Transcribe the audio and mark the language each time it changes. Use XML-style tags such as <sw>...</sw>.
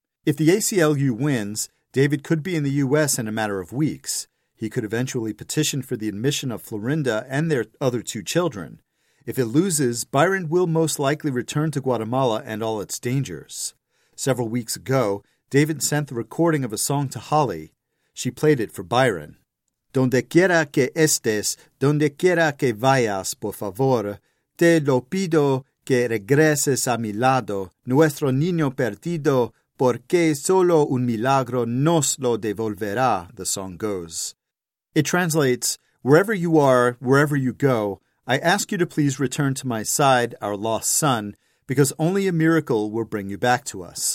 <en>If the ACLU wins, David could be in the U.S. in a matter of weeks. He could eventually petition for the admission of Florinda and their other two children. If it loses, Byron will most likely return to Guatemala and all its dangers. Several weeks ago, David sent the recording of a song to Holly. She played it for Byron.</en> <es>"Donde quiera que estés, donde quiera que vayas, por favor, te lo pido que regreses a mi lado, nuestro niño perdido, porque solo un milagro nos lo devolverá," the song goes.</es> <en>It translates, "Wherever you are, wherever you go, I ask you to please return to my side, our lost son, because only a miracle will bring you back to us."</en>